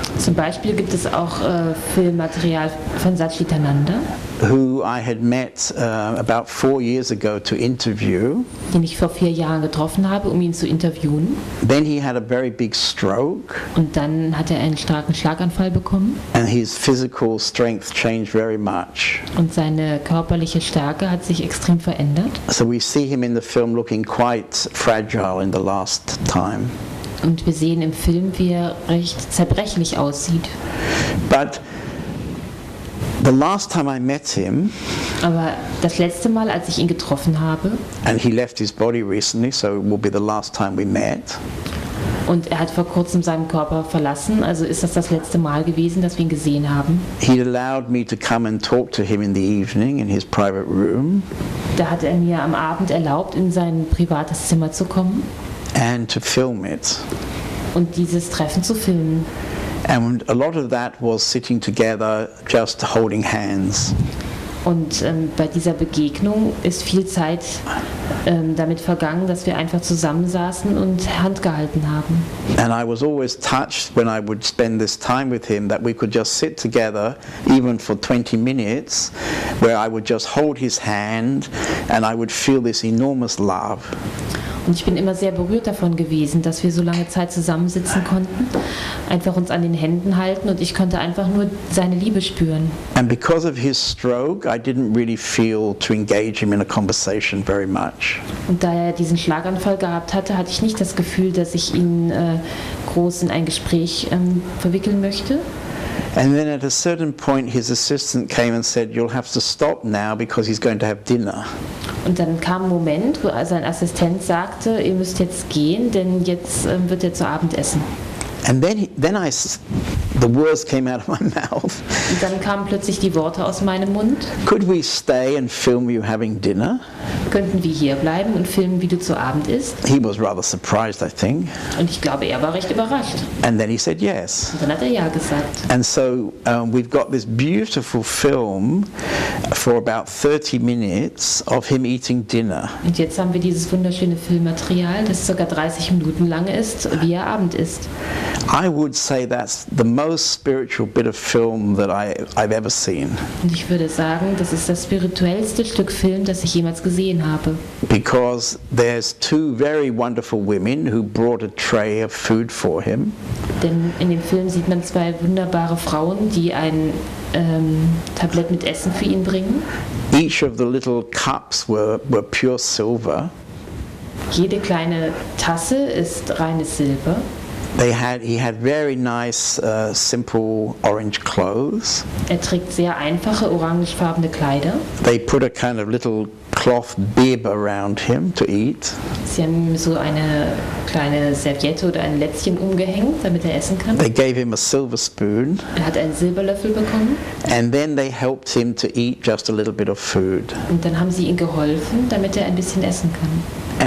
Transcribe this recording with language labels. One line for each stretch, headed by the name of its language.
German: Zum Beispiel gibt es auch Filmmaterial von Satchitananda.
English: Who I had met about 4 years ago to interview.
German: Den ich vor 4 Jahren getroffen habe, um ihn zu interviewen.
English: Then he had a very big stroke.
German: Und dann hat er einen starken Schlaganfall bekommen.
English: And his physical strength changed very much.
German: Und seine körperliche Stärke hat sich extrem verändert.
English: So we see him in the film looking quite fragile in the last time.
German: Und wir sehen im Film, wie er recht zerbrechlich aussieht.
English: But the last time I met him,
German: aber das letzte Mal, als ich ihn getroffen habe,
English: and he left his body recently, so it will be the last time we met.
German: Und er hat vor kurzem seinen Körper verlassen, also ist das letzte Mal gewesen, dass wir ihn gesehen haben.
English: He allowed me to come and talk to him in the evening in his private room.
German: Da hat er mir am Abend erlaubt, in sein privates Zimmer zu kommen.
English: And to film it.
German: Und dieses Treffen zu filmen.
English: And a lot of that was sitting together, just holding hands.
German: Und bei dieser Begegnung ist viel Zeit damit vergangen, dass wir einfach zusammensaßen und Hand gehalten haben.
English: And I was always touched when I would spend this time with him, that we could just sit together, even for 20 minutes, where I would just hold his hand and I would feel this enormous love.
German: Und ich bin immer sehr berührt davon gewesen, dass wir so lange Zeit zusammensitzen konnten, einfach uns an den Händen halten und ich konnte einfach nur seine Liebe spüren.
English: And because of his stroke, I didn't really feel to engage him in a conversation very much.
German: Und da er diesen Schlaganfall gehabt hatte, hatte ich nicht das Gefühl, dass ich ihn groß in ein Gespräch verwickeln möchte.
English: And then at a certain point his assistant came and said, you'll have to stop now because he's going to have dinner.
German: Und dann kam ein Moment, wo sein Assistent sagte, ihr müsst jetzt gehen, denn jetzt wird er zu Abend essen.
English: And then I, the words came out of my mouth.
German: Und dann kamen plötzlich die Worte aus meinem Mund.
English: Could we stay and film you having dinner?
German: Könnten wir hier bleiben und filmen, wie du zu Abend isst?
English: He was rather surprised, I think.
German: Und ich glaube, er war recht überrascht.
English: And then he said yes.
German: Und dann hat er ja gesagt.
English: And so we've got this beautiful film for about 30 minutes of him eating dinner.
German: Und jetzt haben wir dieses wunderschöne Filmmaterial, das ca. 30 Minuten lang ist, wie er Abend isst.
English: I would say that's the most spiritual bit of film that I've ever seen.
German: Und ich würde sagen, das ist das spirituellste Stück Film, das ich jemals gesehen habe.
English: Because there's two very wonderful women who brought a tray of food for him.
German: Denn in dem Film sieht man zwei wunderbare Frauen, die ein Tablett mit Essen für ihn bringen.
English: Each of the little cups were pure silver.
German: Jede kleine Tasse ist reines Silber.
English: He had very nice simple orange clothes.
German: Er trägt sehr einfache orangefarbene Kleider.
English: They put a kind of little cloth bib around him to eat.
German: Sie haben ihm so eine kleine Serviette oder ein Lätzchen umgehängt, damit er essen kann.
English: They gave him a silver spoon.
German: Er hat einen Silberlöffel bekommen.
English: And then they helped him to eat just a little bit of food.
German: Und dann haben sie ihm geholfen, damit er ein bisschen essen kann.